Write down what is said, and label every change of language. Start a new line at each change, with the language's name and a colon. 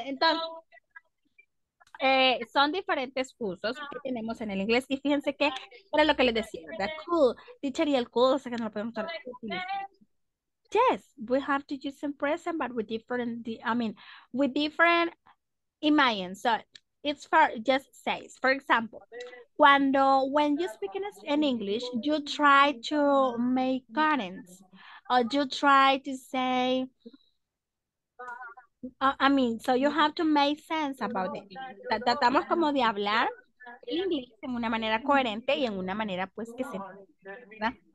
Spanish: Entonces, son diferentes usos que tenemos en el inglés. Y fíjense que era lo que les decía, ¿verdad? Cool. Teacher y el cool, o sea que no lo podemos utilizar.
English: Yes, we have to use in present, but with different, with different imagines. So, it's for just says, for example, cuando, when you speak in English, you try to make comments, or you try to say, so you have to make sense about it.
Spanish: Tratamos como de hablar el inglés en una manera coherente y en una manera, pues, que se, ¿verdad?